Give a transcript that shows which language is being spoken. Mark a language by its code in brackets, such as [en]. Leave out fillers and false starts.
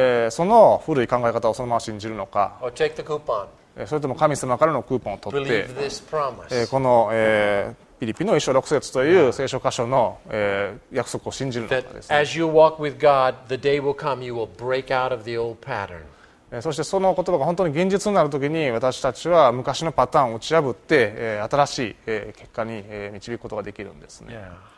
[ja] その古い考え方をそのまま信じるのか、それとも神様からのクーポンを取って、この、ピリピの1章6節という聖書箇所の、約束を信じるのかですね。 [en] As you walk with God, the day will come you will break out of the old pattern. [ja] そしてその言葉が本当に現実になるときに、私たちは昔のパターンを打ち破って、新しい、結果に、導くことができるんですね。